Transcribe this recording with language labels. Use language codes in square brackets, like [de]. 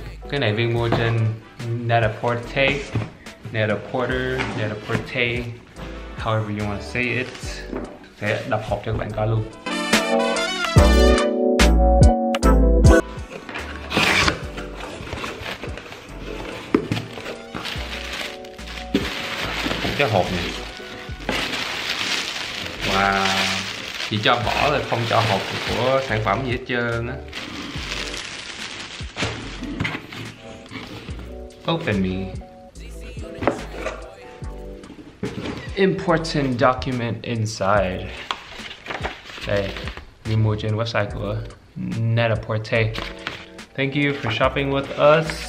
[vi] Cái này Viên mua trên Net-a-Porter. [en] Net-a-Porter, Net-a-Porter, however you want to say it. [vi] Sẽ đọc hộp cho các bạn coi luôn. Cái hộp này. Wow. Chỉ cho bỏ thôi, không cho hộp của sản phẩm gì hết trơn á. [en] Open me. Important document inside. [vi] Đây, đi mua trên website của Net-a-Porter. [en] Thank you for shopping with us.